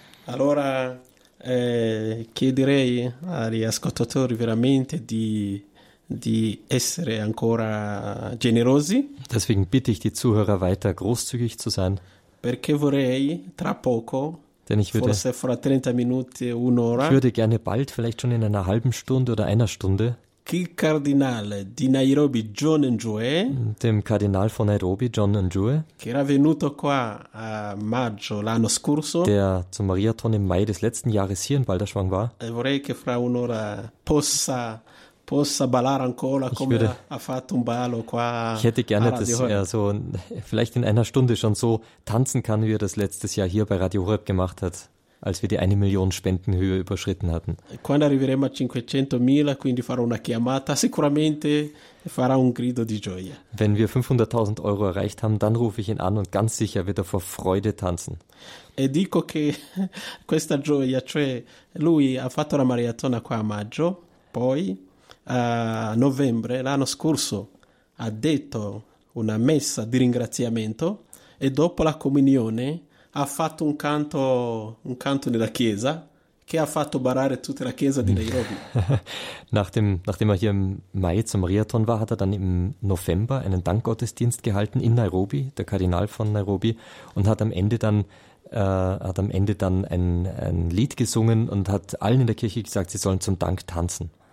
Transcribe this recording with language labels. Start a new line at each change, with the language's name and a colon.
Italian: Allora, chiederei agli ascoltatori veramente di essere ancora generosi.
German: Deswegen bitte ich die Zuhörer weiter, großzügig zu sein.
Italian: Perché vorrei tra poco,
German: denn ich würde,
Italian: forse fra 30 minuti, un'ora,
German: ich würde gerne bald, vielleicht schon in einer halben Stunde oder einer Stunde,
Italian: il cardinale di Nairobi John Njue,
German: dem Kardinal von Nairobi John Njue,
Italian: che era venuto qua a maggio l'anno scorso,
German: der zum Mariathon im Mai des letzten Jahres hier in Balderschwang war,
Italian: e vorrei che fra un'ora possa ballare ancora come ha fatto un ballo qua.
German: Ich hätte gerne, dass er so vielleicht in einer Stunde schon so tanzen kann, wie er das letztes Jahr hier bei Radio Horeb gemacht hat, als wir die 1 Million Spendenhöhe überschritten hatten.
Italian: Quando arriveremo a 500.000, quindi farò una chiamata, sicuramente farà un grido di gioia.
German: Wenn wir 500.000 Euro erreicht haben, dann rufe ich ihn an und ganz sicher wird er vor Freude tanzen.
Italian: E dico che questa gioia, cioè lui ha fatto la maratona qua a maggio, poi a novembre l'anno scorso ha detto una messa di ringraziamento e dopo la comunione ha fatto un canto nella chiesa che ha fatto barare tutta la chiesa di Nairobi.
German: Nachdem er hier im Mai zum Mariathon war, hat er dann im November einen Dankgottesdienst gehalten in Nairobi, der Kardinal von Nairobi, und hat am Ende dann ein Lied gesungen und hat allen in der Kirche gesagt, sie sollen zum Dank tanzen.